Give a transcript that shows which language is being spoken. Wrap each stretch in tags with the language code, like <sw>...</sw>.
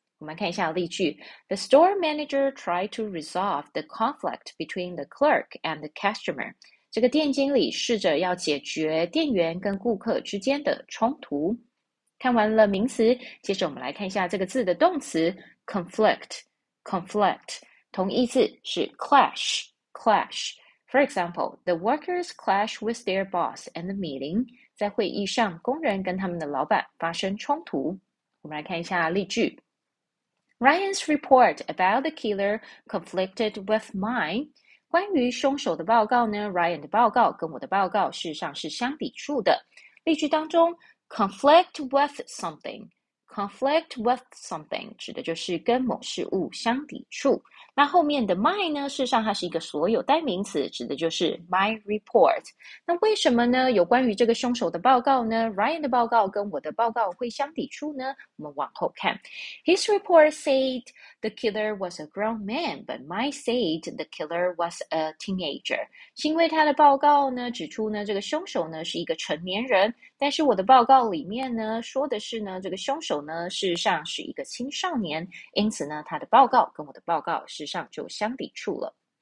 <zh>我们看一下例句：</zh> <en>The store manager tried to resolve the conflict between the clerk and the customer。</en> <zh>这个店经理试着要解决店员跟顾客之间的冲突。看完了名词，接着我们来看一下这个字的动词 conflict。同义词是 clash。</zh> <en>For example, the workers clash with their boss in the meeting。</en> <zh>在会议上，工人跟他们的老板发生冲突。我们来看一下例句：</zh> <en>Ryan's report about the killer conflicted with mine。</en> <zh>关于凶手的报告呢，Ryan 的报告跟我的报告事实上是相抵触的。例句当中，</zh> <en>conflict with something</en> <zh>指的就是跟某事物相抵触。那后面的 my 呢，事实上它是一个所有代名词，指的就是 my report。那为什么呢？有关于这个凶手的报告呢，Ryan 的报告跟我的报告会相抵触呢？我们往后看，</zh> <en>His report said the killer was a grown man, but my said the killer was a teenager。</en> <zh>是因为他的报告呢，指出呢，这个凶手呢是一个成年人，但是我的报告里面呢，说的是呢，这个凶手呢事实上是一个青少年，因此呢，他的报告跟我的报告事实上就相抵触了。</zh>